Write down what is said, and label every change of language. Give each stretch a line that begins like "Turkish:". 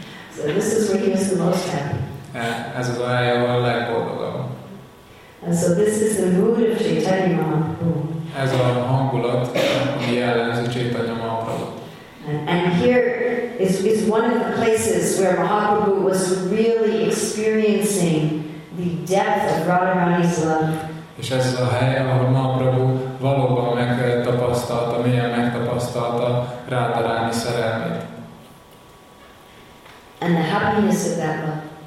English: So this is where he is the most happy.
Hungarian: Ez az a hely, ahol a legboldogabb.
English: And so this is the mood of Chaitanya Mahaprabhu.
Hungarian: Ez a hangulat, ami jellemző Chaitanya Mahaprabhu.
English: And here is one of the places where Mahaprabhu was really experiencing the depth of Radharani's love.
Hungarian: És ez a hely, ahol Mahaprabhu valóban megtapasztalta, milyen megtapasztalta Radharani szerelmét.
English: And the happiness of that love.